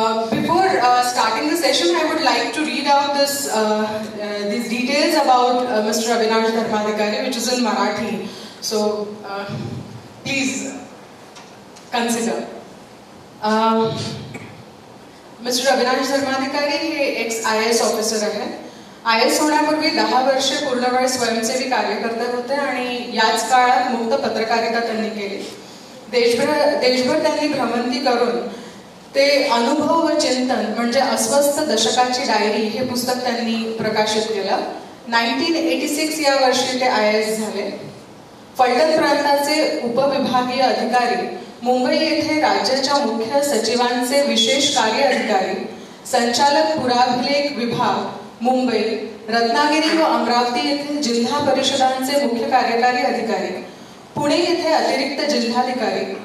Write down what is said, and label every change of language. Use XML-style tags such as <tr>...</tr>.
<en>Before starting the session, I would like to read out this these details about Mr. Avinash Dharmadhikari, which is in Marathi. So, please consider. Mr. Avinash Dharmadhikari is an ex-IAS officer.</en> <mr>IAS होण्यापूर्वी 10 वर्षे पूर्ण वेळ स्वयंसेवी कार्यकर्ते होते आणि याच काळात मुक्त पत्रकारिता त्यांनी केली. देशभर त्यांनी भ्रमंती करून ते अनुभव व चिंतन म्हणजे अस्वस्थ दशकाची डायरी हे पुस्तक त्यांनी प्रकाशित केलं. 1986 या वर्षी ते IAS झाले. फलटण प्रांताचे उपविभागीय अधिकारी, मुंबई येथे राज्याच्या मुख्य सचिवांचे विशेष कार्य अधिकारी, संचालक पुराभिलेख विभाग मुंबई, रत्नागिरी व अमरावती येथील जिल्हा परिषदांचे मुख्य कार्यकारी अधिकारी, पुणे येथे अतिरिक्त जिल्हाधिकारी,</mr>